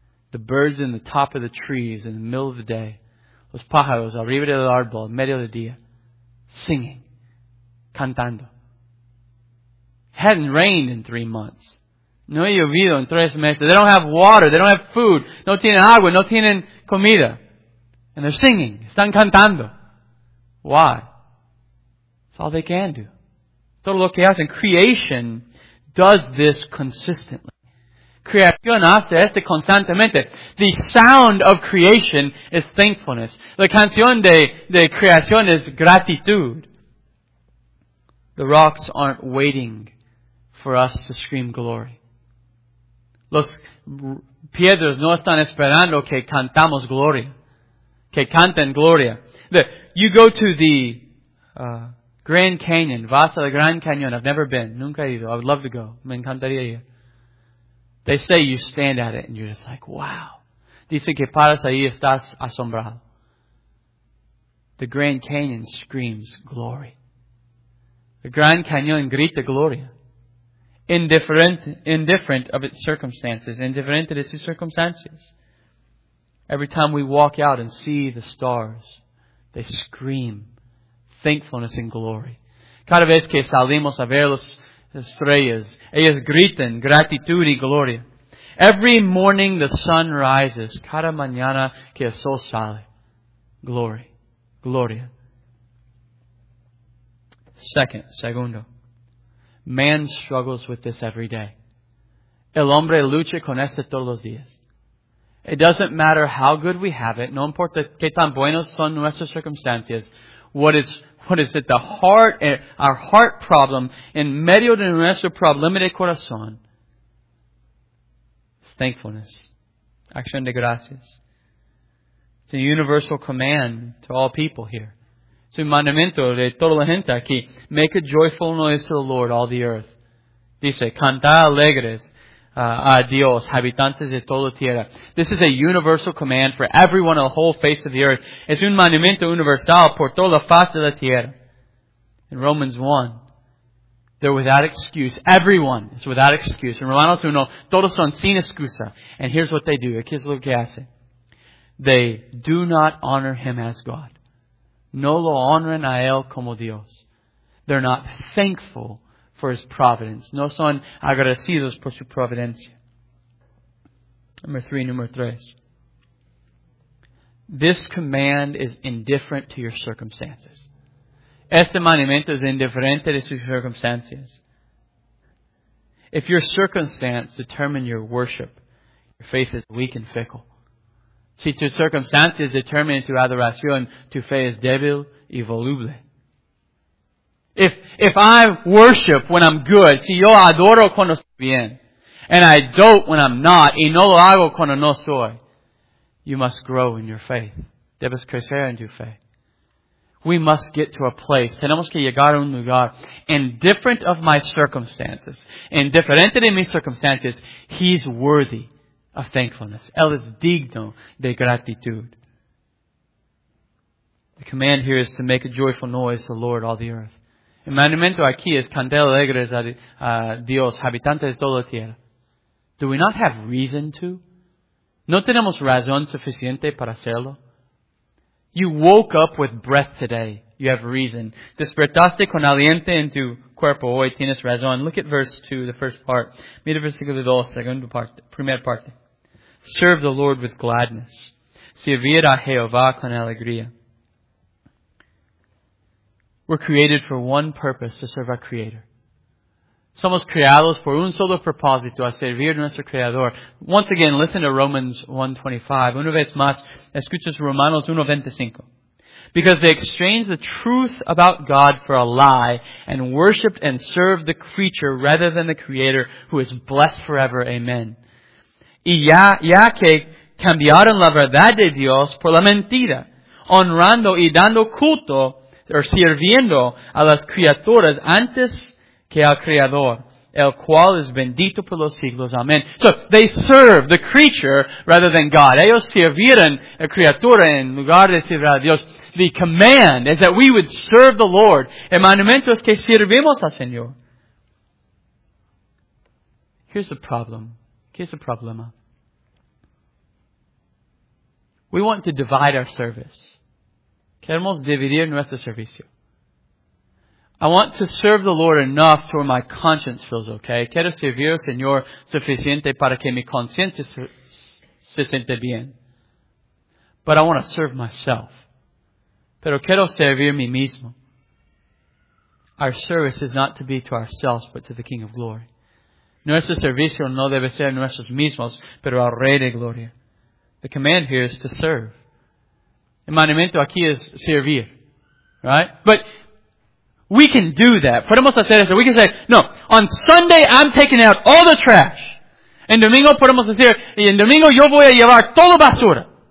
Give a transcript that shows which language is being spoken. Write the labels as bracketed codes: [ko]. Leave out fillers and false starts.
[en] The birds in the top of the trees in the middle of the day. [es] Los pájaros arriba del árbol, medio del día. [en] Singing. [es] Cantando. [en] Hadn't rained in 3 months. [es] No he llovido en tres meses. [en] They don't have water. They don't have food. [es] No tienen agua. No tienen comida. [en] And they're singing. [es] Están cantando. [en] Why? It's all they can do. [es] Todo lo que hacen. [en] Creation does this consistently. [es] Creación hace esto constantemente. [en] The sound of creation is thankfulness. [es] La canción de creación es gratitud. [en] The rocks aren't waiting for us to scream glory. [es] Los piedras no están esperando que cantamos gloria. Que canten gloria. [en] You go to the Grand Canyon. [es] Vas al Grand Canyon. [en] I've never been. [es] Nunca he ido. [en] I would love to go. [es] Me encantaría ir. [en] They say you stand at it and you're just like, wow. [es] Dicen que paras ahí y estás asombrado. [en] The Grand Canyon screams glory. [es] The Grand Canyon grita gloria. [en] Indifferent of its circumstances. Indifferent of its circumstances. Every time we walk out and see the stars, they scream thankfulness and glory. [es] Cada vez que salimos a ver las estrellas, ellas gritan gratitud y gloria. [en] Every morning the sun rises, [es] cada mañana que el sol sale, [en] glory, [es] gloria. [en] Segundo, man struggles with this every day. [es] El hombre lucha con esto todos los días. [en] It doesn't matter how good we have it. [es] No importa qué tan buenos son nuestras circunstancias. [en] What is it? The heart, our heart problem [es] en medio de nuestro problema de corazón. [en] It's thankfulness. [es] Acción de gracias. [en] It's a universal command to all people here. It's [es] un mandamiento de toda la gente aquí. [en] Make a joyful noise to the Lord, all the earth. [es] Dice, canta alegres. Adios, habitantes de toda tierra. [en] This is a universal command for everyone on the whole face of the earth. [es] Es un monumento universal por toda la faz de la tierra. [en] In Romans 1, they're without excuse. Everyone is without excuse. [es] In Romanos 1, todos son sin excusa. [en] And here's what they do. [es] Aquí es lo que hacen. [en] They do not honor Him as God. [es] No lo honran a Él como Dios. [en] They're not thankful for His providence. [es] No son agradecidos por su providencia. [en] Number 3. This command is indifferent to your circumstances. [es] Este mandamiento es indiferente de sus circunstancias. [en] If your circumstance determine your worship, your faith is weak and fickle. [es] Si tus circunstancias determinan tu adoración, tu fe es débil y voluble. [en] If I worship when I'm good, [es] si yo adoro cuando estoy bien, [en] and I dote when I'm not, [es] y no lo hago cuando no soy, [en] you must grow in your faith. [es] Debes crecer en tu fe. [en] We must get to a place, [es] tenemos que llegar a un lugar, [en] indifferent of my circumstances, [es] indiferente de mis circunstancias, [en] He's worthy of thankfulness. [es] Él es digno de gratitud. [en] The command here is to make a joyful noise to the Lord, all the earth. [es] El mandamiento aquí es cantar alegres a Dios, habitante de toda la tierra. [en] Do we not have reason to? [es] ¿No tenemos razón suficiente para hacerlo? [en] You woke up with breath today. You have reason. [es] Despertaste con aliento en tu cuerpo hoy. Tienes razón. [en] Look at verse 2, the first part. [es] Mira versículo 2, segunda parte, primera parte. [en] Serve the Lord with gladness. [es] Servir a Jehová con alegría. [en] We're created for one purpose, to serve our Creator. [es] Somos creados por un solo propósito, a servir nuestro Creador. [en] Once again, listen to Romans 1:25. [es] Una vez más, escuchas Romanos 1:25. [en] Because they exchanged the truth about God for a lie and worshipped and served the creature rather than the Creator who is blessed forever. Amen. [es] Y ya que cambiaron la verdad de Dios por la mentira, honrando y dando culto sirviendo a las criaturas antes que al Creador, el cual es bendito por los siglos. Amén. [en] So, they serve the creature rather than God. [es] Ellos sirvieron a criatura en lugar de servir a Dios. [en] The command is that we would serve the Lord. [es] El mandamiento es que servimos al Señor. [en] Here's the problem. [es] ¿Qué es el problema? [en] We want to divide our service. [es] Queremos dividir nuestro servicio. [en] I want to serve the Lord enough to where my conscience feels okay. [es] Quiero servir al Señor suficiente para que mi conciencia se siente bien. [en] But I want to serve myself. [es] Pero quiero servir mi mismo. [en] Our service is not to be to ourselves, but to the King of Glory. [es] Nuestro servicio no debe ser nuestros mismos, pero al Rey de Gloria. [en] The command here is to serve. [es] El mandamiento aquí es servir. [en] Right? But we can do that. [es] Podemos hacer eso. [en] We can say, no, on Sunday I'm taking out all the trash. [es] En domingo podemos decir, y en domingo yo voy a llevar toda basura.